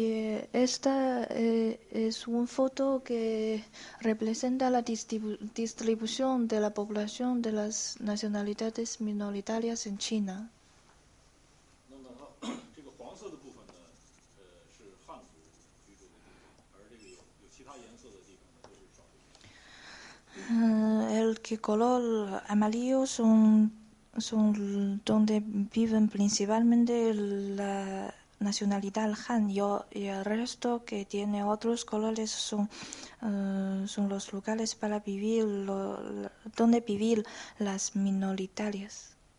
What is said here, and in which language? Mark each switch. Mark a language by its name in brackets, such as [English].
[Chinese] 中国民族分布的中国地图。 [Spanish] Esta es un foto que representa la distribución de la población de las nacionalidades minoritarias en China. [Chinese] 那么它这个黄色的部分呢，是汉族居住的地方，而这个有其他颜色的地方呢，就是少数民族。 [Spanish] El color amarillo son donde viven principalmente la nacionalidad Han, y el resto que tiene otros colores son los lugares para vivir, donde vivir las minoritarias.